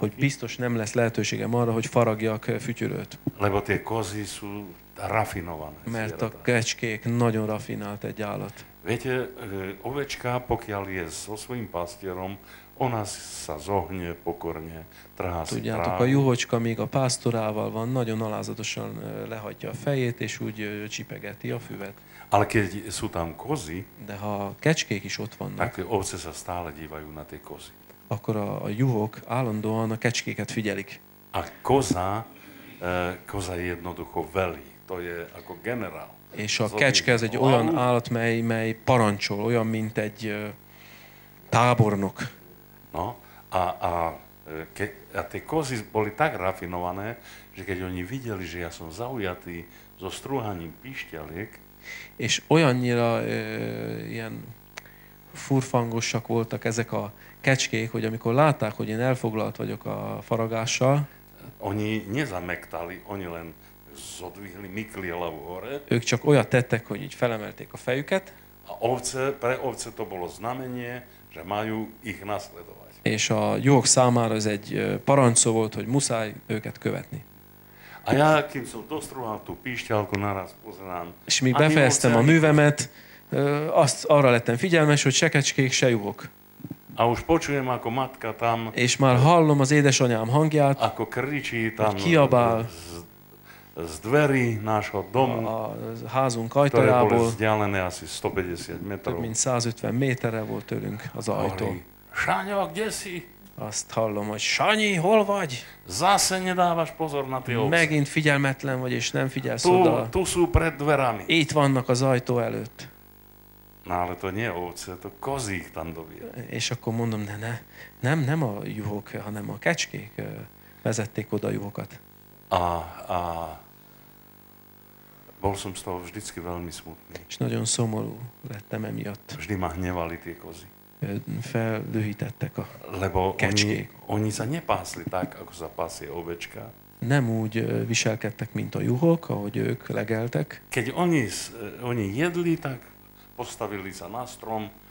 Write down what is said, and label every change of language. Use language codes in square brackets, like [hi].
[hu] Hogy biztos nem lesz lehetőségem arra, hogy faragjak fütyülőt. [sk] Lebo tie kozy sú rafinované. [hu] Mert a kecskék nagyon rafinált egy állat. [sk] Viete, ovečka, pokiaľ je so svojím pastierom, ona sa zohne pokorne, trhá si [hu] Tudjátok, a juhocska még a pásztorával van, nagyon alázatosan lehajtja a fejét, és úgy csipegeti a füvet. [sk] Ale keď sú tam kozy, [hu] de ha kecskék is ott vannak, [sk] tak ovce sa stále dívajú na tie kozy. [hu] Akkor a juhok állandóan a kecskéket figyelik. [sk] A koza je jednoducho veli, to je ako generál. [hu] És a kecske ez egy olyan állat, mely parancsol, olyan, mint egy tábornok. [sk] No, a tie kozy boli tak rafinované, že keď oni videli, že ja som zaujatý so strúhaním píšťaliek. [hu] És olyannyira ilyen furfangosak voltak ezek a kecskék, hogy amikor látták, hogy én elfoglalt vagyok a faragással, [sk] Oni nezamektali, oni len zodvihli, mikli hlavu hore. [hu] Ők csak olyat tettek, hogy így felemelték a fejüket. [sk] A ovce, pre ovce to bolo znamenie, že majú ich nasledovať. [hu] És a juhok számára ez egy parancsó volt, hogy muszáj őket követni. [sk] A ja, kým som dostruhal tú píšťalku, naraz pozerám. [hu] És míg befejeztem a művemet, azt arra lettem figyelmes, hogy se kecskék, se juhok. [sk] A už počujem, ako matka tam... [hu] És már hallom az édesanyám hangját, [sk] ako kričí tam, [hu] kiabál [sk] z dverí nášho domu, [hu] a házunk ajtajából, [sk] ktoré boli vzdialené asi 150 metrov. [hu] Több mint 150 méterre volt tőlünk az ajtó. [sk] Sanyo, kde si? [hu] Azt hallom, hogy Sanyi, hol vagy? [sk] Zase nedávaš pozor na ty ovce. [hu] Megint figyelmetlen vagy, és nem figyelsz [sk] tu, [hu] oda. [sk] Tu sú pred dverami. [hu] Itt vannak az ajtó előtt. [sk] Na, ale to nie ovce, to kozík tam dobie. [hu] És akkor mondom, ne, nem, nem a juhok, hanem a kecskék vezették oda a juhokat. [sk] A bol som z toho vždycky veľmi smutný. [hu] És nagyon szomorú lettem emiatt. [sk] Vždy ma hnevali tie kozy. [hu] Feldühítettek a [sk] lebo [hu] kecskék. [sk] Oni sa nepásli tak, ako sa pasie ovečka. [hu] Nem úgy viselkedtek, mint a juhok, ahogy ők legeltek. [sk] Keď oni jedli, tak postavili sa na strom.